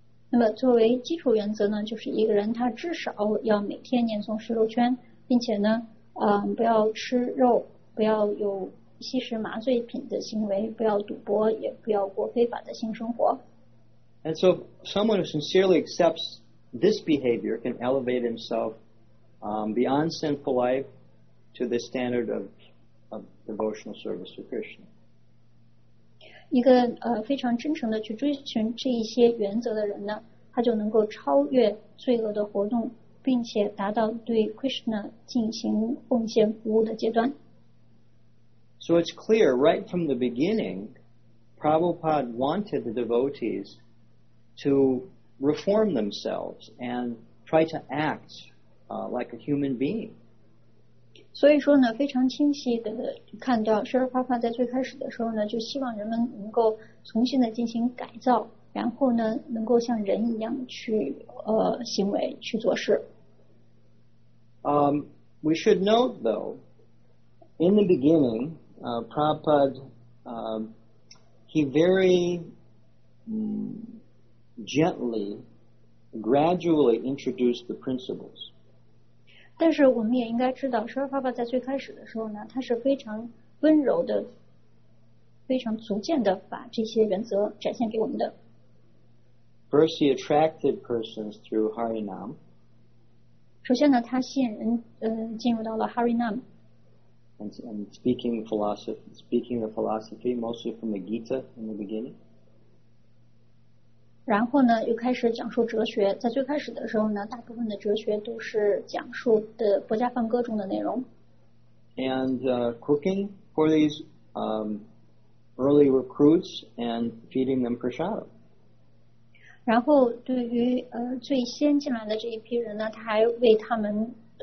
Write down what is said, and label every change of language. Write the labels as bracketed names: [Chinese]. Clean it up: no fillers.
[Chinese] 那么作为基础原则呢，就是一个人他至少要每天念诵十六圈。并且呢，不要吃肉，不要有吸食麻醉品的行为，不要赌博，也不要过非法的性生活。 [English] And so, someone who sincerely accepts this behavior can elevate himself, beyond sinful life to the standard of devotional service to Krishna. [Chinese] 一个非常真诚的去追寻这一些原则的人呢，他就能够超越罪恶的活动。并且达到对 Krishna 进行奉献服务的阶段。 [English] So it's clear right from the beginning, Prabhupada wanted the devotees to reform themselves and try to act like a human being. [Chinese] 所以说呢，非常清晰的看到，舍利帕帕在最开始的时候呢，就希望人们能够重新的进行改造，然后呢，能够像人一样去行为去做事。 [English] We should note, though, in the beginning, Prabhupada, he very gently, gradually introduced the principles. [Chinese] 但是我们也应该知道，舍利帕帕在最开始的时候呢，他是非常温柔的，非常逐渐的把这些原则展现给我们的。 [English] First, he attracted persons through Harinam. [Chinese] 首先呢，他吸引人，进入到了 Harinam。 [English] And speaking philosophy, speaking the philosophy mostly from the Gita in the beginning. [Chinese] 然后呢，又开始讲述哲学。在最开始的时候呢，大部分的哲学都是讲述的《薄伽梵歌》中的内容。 [English] And cooking for these early recruits and feeding them prasadam. [Chinese] 然后对于最先进来的这一批人呢，他还为他们